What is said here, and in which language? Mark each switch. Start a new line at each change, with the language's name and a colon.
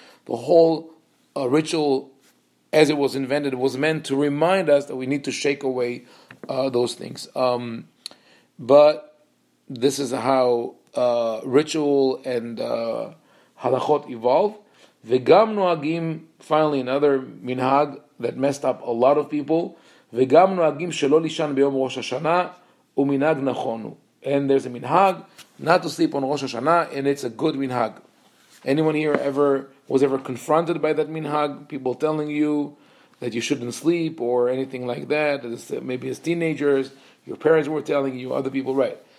English: The whole ritual as it was invented was meant to remind us that we need to shake away those things. But this is how ritual and halachot evolve.
Hebrew: V'gam nuagim,
English: finally another minhag that messed up a lot of people.
Hebrew: וגם נוהגים שלא לישן ביום ראש השנה, ומנהג נכון הוא.
English: And there's a minhag, not to sleep on Rosh Hashanah, and it's a good minhag. Anyone here was ever confronted by that minhag? People telling you that you shouldn't sleep, or anything like that, maybe as teenagers, your parents were telling you, other people, right.